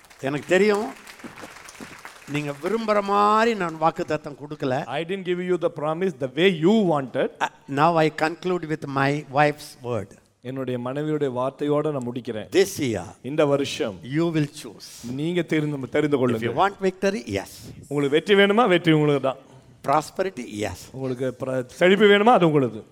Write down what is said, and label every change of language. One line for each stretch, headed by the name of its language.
Tamil: enak theriyum நீங்க விரும்பற மாதிரி நான் வாக்குத்தத்தம் கொடுக்கல
English: I didn't give you the promise the way you wanted now I conclude with my wife's word
Tamil: என்னுடைய மனைவியோட வார்த்தையோட நான் முடிக்கிறேன்
English: this year
Tamil: இந்த வருஷம்
English: you will choose
Tamil: நீங்க தெரிந்து கொள்ளுங்க
English: if you want victory yes
Tamil: உங்களுக்கு வெற்றி வேணுமா வெற்றி உங்களுக்கு தான்
English: prosperity yes
Tamil: உங்களுக்கு செழிப்பு வேணுமா அது உங்களுது